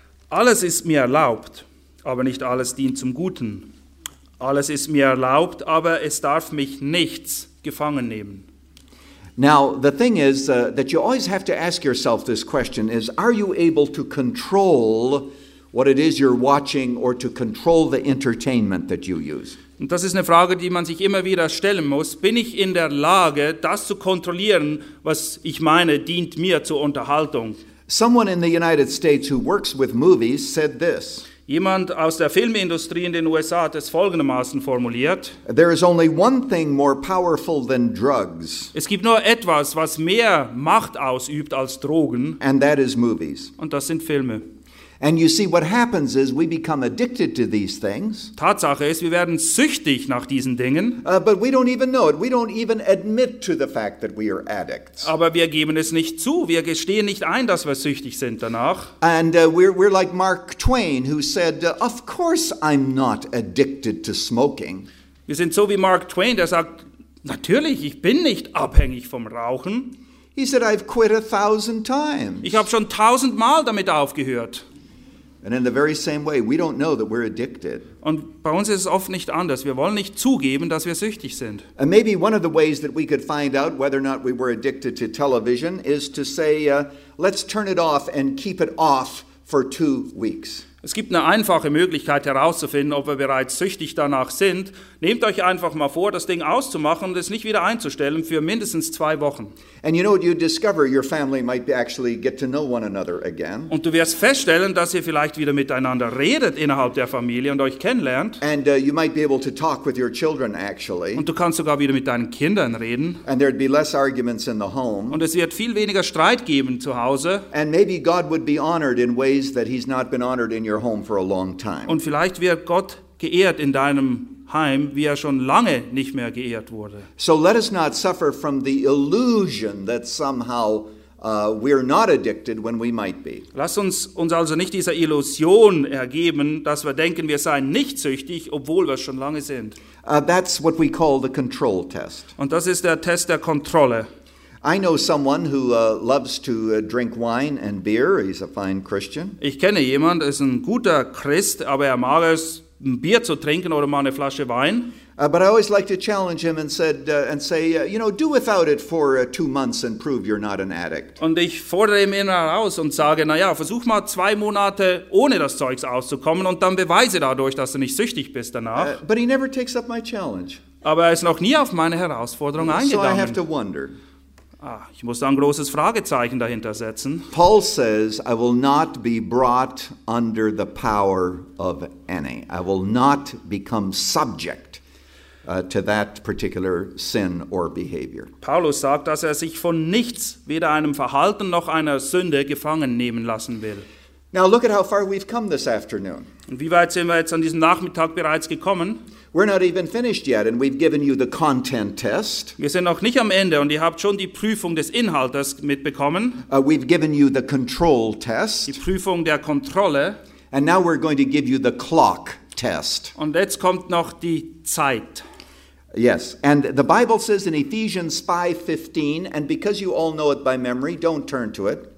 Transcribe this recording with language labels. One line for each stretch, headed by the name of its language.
German: Alles ist mir erlaubt, aber nicht alles dient zum Guten. Alles ist mir erlaubt, aber es darf mich nichts gefangen nehmen.
English: Now, the thing is that you always have to ask yourself this question is, are you able to control what it is you're watching or to control the entertainment that you use?
German: Und das ist eine Frage, die man sich immer wieder stellen muss. Bin ich in der Lage, das zu kontrollieren, was ich meine, dient mir zur Unterhaltung?
English: Someone in the United States who works with movies said this.
German: Jemand aus der Filmindustrie in den USA hat es folgendermaßen formuliert.
English: There is only one thing more powerful than drugs.
German: Es gibt nur etwas, was mehr Macht ausübt als Drogen.
English: And that is movies.
German: Und das sind Filme.
English: And you see, what happens is we become addicted to these things.
German: Tatsache ist, wir werden süchtig nach diesen Dingen.
English: But we don't even know it. We don't even admit to the fact that we are addicts.
German: Aber wir geben es nicht zu. Wir gestehen nicht ein, dass wir süchtig sind danach.
English: And we're like Mark Twain, who said, "Of course I'm not addicted to smoking."
German: Wir sind so wie Mark Twain, der sagt, natürlich, ich bin nicht abhängig vom Rauchen.
English: He said, "I've quit 1,000 times."
German: Ich habe schon 1,000 Mal damit aufgehört.
English: And in the very same way, we don't know that we're addicted.
German: Und bei uns ist es oft nicht anders. Wir wollen nicht zugeben, dass wir süchtig sind.
English: And maybe one of the ways that we could find out whether or not we were addicted to television is to say, let's turn it off and keep it off for 2 weeks.
German: Es gibt eine einfache Möglichkeit herauszufinden, ob wir bereits süchtig danach sind. Nehmt euch einfach mal vor, das Ding auszumachen und es nicht wieder einzustellen für mindestens 2 Wochen.
English: And you know what you discover, your family might actually get to know one another again.
German: Und du wirst feststellen, dass ihr vielleicht wieder miteinander redet innerhalb der Familie und euch kennenlernt.
English: And you might be able to talk with your children actually.
German: Und du kannst sogar wieder mit deinen Kindern reden.
English: And there'd be less arguments in the home.
German: Und es wird viel weniger Streit geben zu Hause.
English: And maybe God would be honored in ways that he's not been honored in your home for a long time.
German: Und vielleicht wird Gott geehrt in deinem Heim, wie er schon lange nicht mehr geehrt wurde.
English: So let us not suffer from the illusion that somehow we're not addicted when we might be.
German: Lass uns also nicht dieser Illusion ergeben, dass wir denken, wir seien nicht süchtig, obwohl wir schon lange sind.
English: That's what we call the control test.
German: Und das ist der Test der Kontrolle.
English: I know someone who loves to drink wine and beer. He's a fine Christian.
German: Ich kenne jemand, ist ein guter Christ, aber er mag es, ein Bier zu trinken oder mal eine Flasche Wein.
English: But I always like to challenge him and say, you know, do without it for 2 months and prove you're not an addict.
German: Und ich fordere ihn immer heraus und sage, naja, versuch mal 2 Monate ohne das Zeugs auszukommen und dann beweise dadurch, dass du nicht süchtig bist danach.
English: But he never takes up my challenge.
German: Aber er ist noch nie auf meine Herausforderung eingegangen.
English: So I have to wonder.
German: Ah, ich muss da ein großes Fragezeichen dahinter setzen.
English: Paul says, I will not be brought under the power of any. I will not become subject to that particular sin or behavior.
German: Paulus sagt, dass er sich von nichts, weder einem Verhalten noch einer Sünde, gefangen nehmen lassen will.
English: Now look at how far we've come this afternoon.
German: Und wie weit sind wir jetzt an diesem Nachmittag bereits gekommen?
English: We're not even finished yet, and we've given you the content test.
German: Wir sind noch nicht am Ende, und ihr habt schon die Prüfung des Inhaltes mitbekommen.
English: We've given you the control test.
German: Die Prüfung der Kontrolle.
English: And now we're going to give you the clock test.
German: Und jetzt kommt noch die Zeit.
English: Yes, and the Bible says in Ephesians 5:15, and because you all know it by memory, don't turn to it.